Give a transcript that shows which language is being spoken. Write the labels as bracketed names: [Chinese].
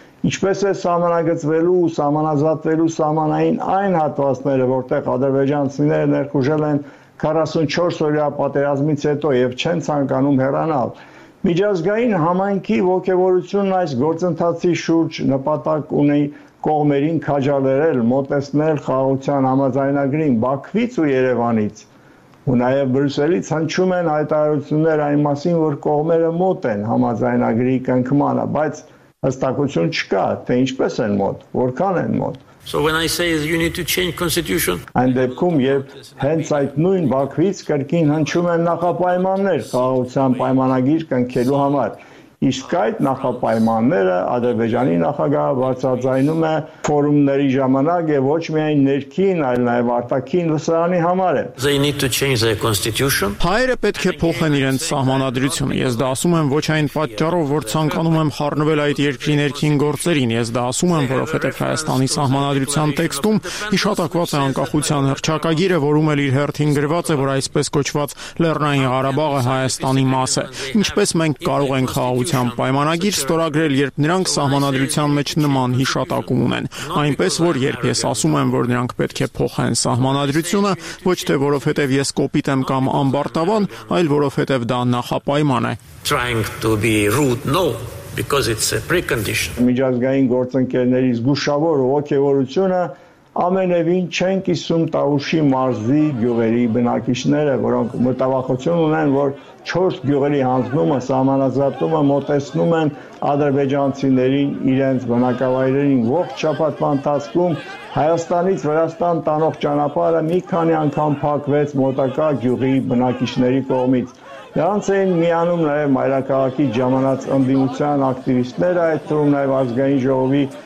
[Armenian] Ինչպես է սահմանագծվելու ու սահմանազատվելու սահմանային այն հատվածները, որտեղ ադրբեջանցիները ներխուժել են 44-օրյա պատերազմից հետո և չեն ցանկանում հեռանալ։ Միջազգային համայնքի ոգևորությունն այս գործընթացի շուրջ նպատակ ունի կողմերին քաջալերել, մոտեցնել խաղաղության համաձայնագրին Բաքվից ու Երևանից, ու նաև Բրյուսելից հնչում են հայտարարություններ այն մասին, որ կողմերը մոտ են համաձայնագրի կնքմանը, բայց հստակություն չկա, թե ինչպես են մոտ, որքան են մոտ։ [English] So when I say you need to change constitution, [Armenian] այն դեպքում, երբ հենց այդ նույն Բաքվից կրկին հնչում են նախապայմաններ խաղաղության պայմանագիր կնքելու համար, իսկ այդ նախապայմանները Ադրբեջանի նախագահը բարձրաձայնում է ֆորումների ժամանակ և ոչ միայն ներքին, այլ նաև արտաքին լսարանի համար է։ [English] They need to change their constitution. [Armenian] Հայերը պետք է փոխեն իրենց սահմանադրությունը։ Ես դա ասում եմ ոչ այն պատճառով, որ ցանկանում եմ խառնվել այդ երկրի ներքին գործերին, ես դա ասում եմ, որովհետև Հայաստանի սահմանադրության տեքստում հիշատակված է անկախության հռչակագիրը, որում էլ իր հերթին գրված է, որ այսպես կոչված Լեռնային Ղարաբաղը Հայաստանի մաս է։ Ինչպես մենք կարող ենք խաղաղության պայմանագիր ստորագրել, երբ նրանք սահմանադրության մեջ նման հիշատակում ունեն։ Այնպես որ, երբ ես ասում եմ, որ նրանք պետք է փոխեն սահմանադրությունը, ոչ թե որովհետև ես կոպիտ եմ կամ ամբարտավան, այլ որովհետև դա նախապայման է։ [English] Trying to be rude, no, because it's a precondition. [Armenian] Միջազգային գործընկերների զգուշավոր ոգևորությունը ամենևին չեն կիսում Տավուշի մարզի գյուղերի բնակիչները, որոնք մտավախություն ունեն, որ 4 գյուղերի հանձնումը, սահմանազատումը մոտեցնում են ադրբեջանցիներին իրենց բնակավայրերին։ Ողջ շաբաթվա ընթացքում Հայաստանից Վրաստան տանող ճանապարհը մի քանի անգամ փակվեց մոտակա գյուղի բնակիչների կողմից։ Նրանց էին միանում նաև մայրաքաղաքի ժամանած ընդդիմության ակտիվիստները, այդ թվում նաև ազգային ժողովի